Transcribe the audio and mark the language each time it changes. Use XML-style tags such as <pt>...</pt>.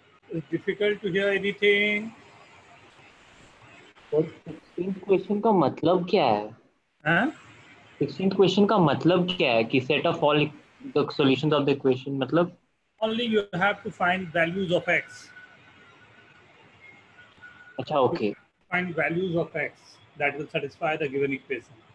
<en>It's difficult to hear anything.</en> <hi>What 16th question का मतलब क्या है? हाँ? 16th question का मतलब क्या है कि</hi> <en>set of all the solutions of the equation</en> <hi>मतलब?</hi> <en>Only you have to find values of x.</en> <hi>अच्छा okay.</hi> <en>Find values of x that will satisfy the given equation.</en>